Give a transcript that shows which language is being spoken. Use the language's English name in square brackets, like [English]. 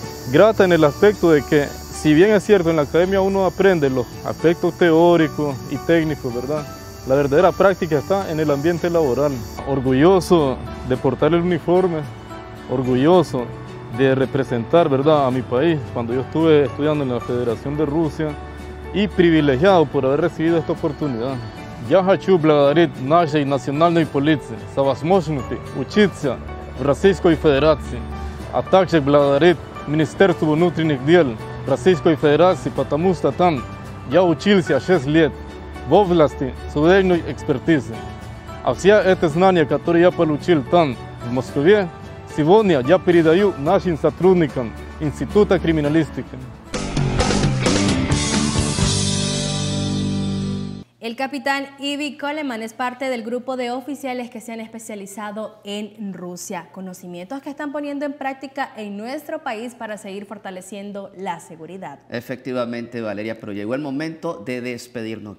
[Spanish] Grata en el aspecto de que, si bien es cierto, en la academia uno aprende los aspectos teóricos y técnicos, ¿verdad?, la verdadera práctica está en el ambiente laboral. Orgulloso de portar el uniforme, orgulloso de representar, ¿verdad?, a mi país cuando yo estuve estudiando en la Federación de Rusia, y privilegiado por haber recibido esta oportunidad. [Russian] Я хочу благодарить нашей национальной полиции за возможность учиться в Российской Федерации, а также благодарить Министерству внутренних дел Российской Федерации, потому что там я учился 6 лет в области судебной экспертизы. А все эти знания, которые я получил там, в Москве, сегодня я передаю нашим сотрудникам Института криминалистики. [Spanish] El capitán Ivy Coleman es parte del grupo de oficiales que se han especializado en Rusia. Conocimientos que están poniendo en práctica en nuestro país para seguir fortaleciendo la seguridad. Efectivamente, Valeria, pero llegó el momento de despedirnos.